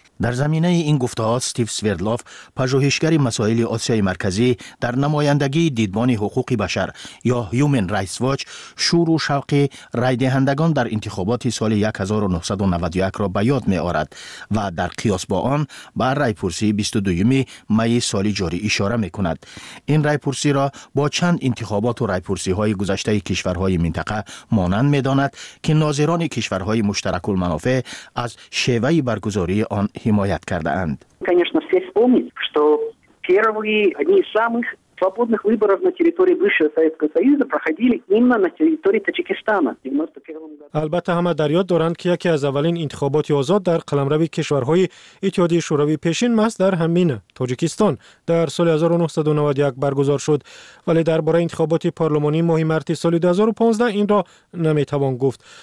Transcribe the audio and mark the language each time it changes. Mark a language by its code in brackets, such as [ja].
[fa] در زمینه این گفته‌ها استیو سویردلوف، پژوهشگر مسائل آسیای مرکزی در نمایندگی دیدبان حقوق بشر یا Human Rights Watch، شور و شوق رای دهندگان در انتخابات سال 1991 را به یاد می‌آورد و در قیاس با آن به رای پرسی 22 می سال جاری اشاره می‌کند. این رای پرسی را با چند انتخابات و رای پرسی‌های گذشته کشورهای منطقه مانند می‌داند که ناظران کشورهای مشترک المنافع از شیوه برگزاری آن حمایت کرده اند. [ru] Конечно, все вспомнят, что первые одни из самых свободных выборов на территории бывшего Советского Союза проходили именно на территории Таджикистана. [fa] البته همه در یاد دارند که یکی از اولین انتخابات آزاد در قلمرو کشورهای اتحادیه شوروی پیشین محض در همین تاجیکستان در سال 1991 برگزار شد، ولی درباره انتخابات پارلمانی ماه مارس سال 2015 این را نمیتوان گفت.